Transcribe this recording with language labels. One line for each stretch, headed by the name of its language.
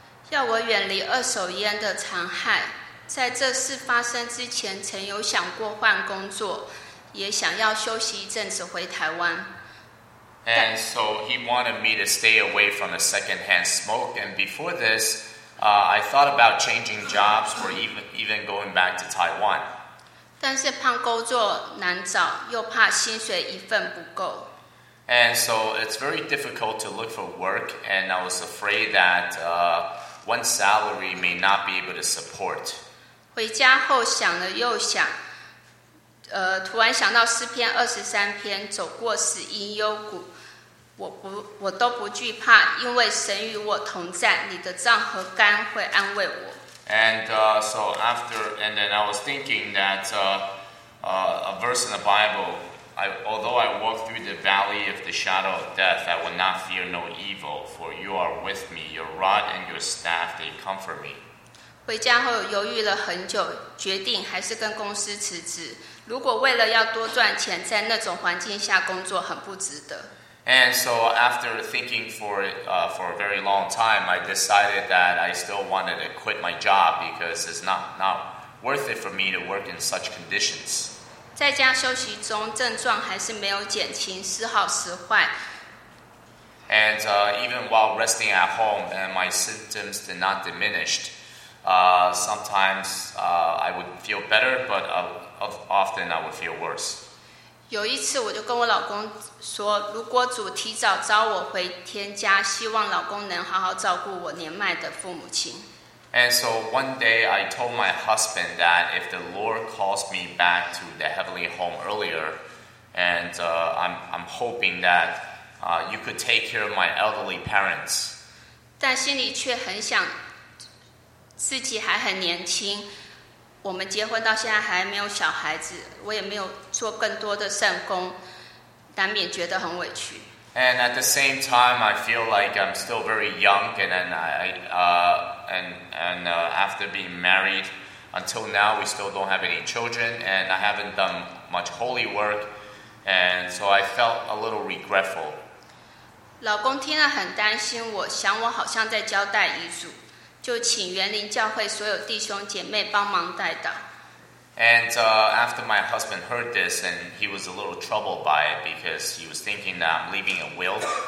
Chinese: 要我远离二手烟的残害，在这事发生之前，曾有想过换工作，也想要休息一阵子回台湾。
English: And so he wanted me to stay away from the secondhand smoke. And before this, I thought about changing jobs or even going back to Taiwan.
Chinese: 但是怕工作难找，又怕薪水一份不够。
English: And so it's very difficult to look for work, and I was afraid that one salary may not be able to support.
Chinese: 回家后想了又想，突然想到诗篇二十三篇，走过死荫幽谷，我都不惧怕，因为神与我同在，你的杖和竿会安慰我。
English: And then I was thinking that a verse in the Bible, although I walk through the valley of the shadow of death, I will not fear no evil, for you are with me. Your rod and your staff, they comfort me.
Chinese: 回家后犹豫了很久，决定还是跟公司辞职。如果为了要多赚钱，在那种环境下工作很不值得。
English: And so after thinking for a very long time, I decided that I still wanted to quit my job because it's not worth it for me to work in such conditions.
Chinese: 在家休息中，症状还是没有减轻，时好时坏。
English: And even while resting at home, and my symptoms did not diminished, sometimes I would feel better, but often I would feel worse.
Chinese: 有一次我就跟我老公说，如果主提早召我回天家，希望老公能好好照顾我年迈的父母亲。
English: And so one day I told my husband that if the Lord calls me back to the heavenly home earlier, and I'm hoping that you could take care of my elderly parents.
Chinese: 但心里却很想自己还很年轻。我们结婚到现在还没有小孩子，我也没有做更多的善功，难免觉得很委屈。
English: And at the same time, I feel like I'm still very young, and then I after being married until now, we still don't have any children, and I haven't done much holy work, and so I felt a little regretful.
Chinese: 老公听了很担心我，想我好像在交代遗嘱。就请园林教会所有弟兄姐妹帮忙代祷。
English: And after my husband heard this, and he was a little troubled by it because he was thinking that I'm leaving a will.